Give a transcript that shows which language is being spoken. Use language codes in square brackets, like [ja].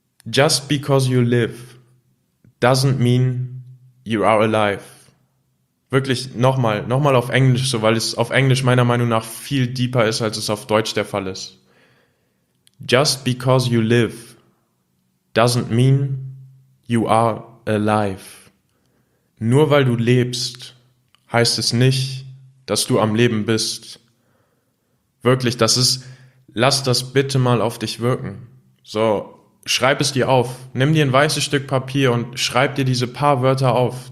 [en] Just because you live doesn't mean you are alive. [de] Wirklich nochmal auf Englisch, so, weil es auf Englisch meiner Meinung nach viel deeper ist, als es auf Deutsch der Fall ist. [en] Just because you live doesn't mean you are alive. [de] Nur weil du lebst, heißt es nicht, dass du am Leben bist. Wirklich, lass das bitte mal auf dich wirken. So, schreib es dir auf. Nimm dir ein weißes Stück Papier und schreib dir diese paar Wörter auf.